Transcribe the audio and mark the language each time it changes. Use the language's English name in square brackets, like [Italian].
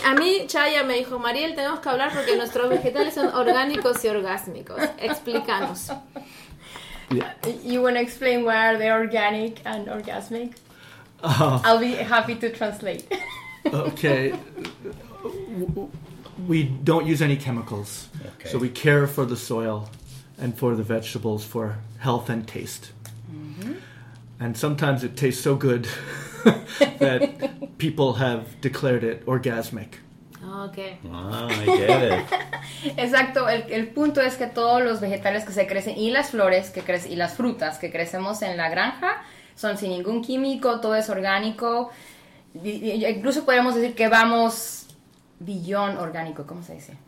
[Spanish] A mí Chaya me dijo, Mariel, tenemos que hablar porque nuestros vegetales son orgánicos y orgásmicos. Explícanos. [English] Yeah. You want to explain why are they organic and orgasmic? I'll be happy to translate. Okay. We don't use any chemicals. Okay. So we care for the soil and for the vegetables for health and taste. Mm-hmm. And sometimes it tastes so good that people have declared it orgasmic. Okay. Ah, I get it. [Spanish] Exacto, el punto es que todos los vegetales que se crecen y las flores que crecen y las frutas que crecemos en la granja son sin ningún químico, todo es orgánico. Incluso podríamos decir que vamos beyond orgánico, ¿cómo se dice?